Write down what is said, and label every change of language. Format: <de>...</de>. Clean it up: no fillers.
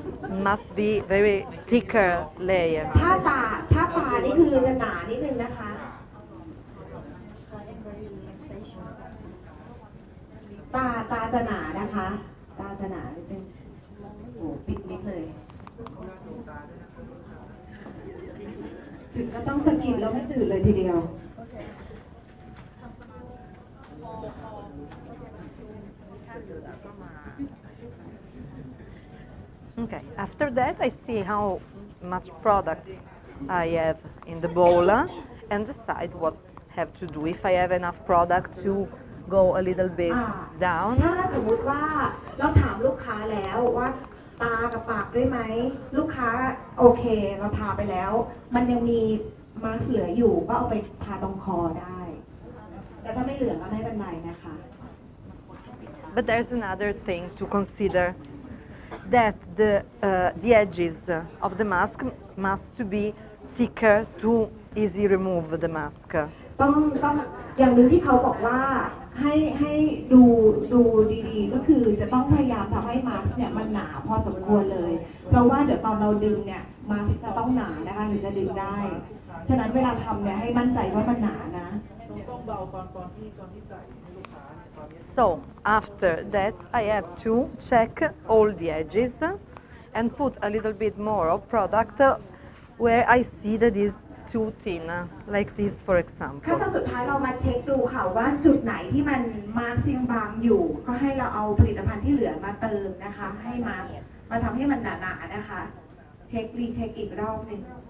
<en>Must be very thicker layer.</en> <th>ถ้าตานี่คือจะหนานิดนึงนะคะ ตาจะหนานะคะ ตาจะหนานิดนึง โอ้ปิดนิดเลย ถึงก็ต้องสะกิดแล้วไม่ตื่นเลยทีเดียว</th> <en>Okay, after that I see how much product I have in the bowl and decide what I have to do. If I have enough product to go a little bit down.</en> <th>ถ้าสมมุติว่าเราถามลูกค้าแล้วว่าตากับปากได้ไหมลูกค้าโอเคเราทาไปแล้วมันยังมีมาเหลืออยู่ก็เอาไปทาตรงคอได้แต่ถ้าไม่เหลือก็ไม่เป็นไรนะคะ</th> <en>But there's another thing to consider. That the edges of the mask must to be thicker to easy remove the mask.</en> <th>ต้องอย่างนึงที่เขาบอกว่าให้ดูดีๆก็คือจะต้องพยายามทำให้มาสก์เนี่ยมันหนาพอสมควรเลยเพราะว่าเดี๋ยวตอนเราดึงเนี่ยมาสก์จะต้องหนานะคะถึงจะดึงได้ฉะนั้นเวลาทำเนี่ยให้มั่นใจว่ามันหนานะ ต้องเบาตอนที่ใส่</th> <en>So after that, I have to check all the edges and put a little bit more of product where I see that it's too thin, like this, for example.</en> <th>ขั้นสุดท้ายเรามาเช็คดูค่ะว่าจุดไหนที่มันมาซิงบางอยู่ก็ให้เราเอาผลิตภัณฑ์ที่เหลือมาเติมนะคะให้มาทำให้มันหนาๆนะคะเช็คอีกรอบนึง</th>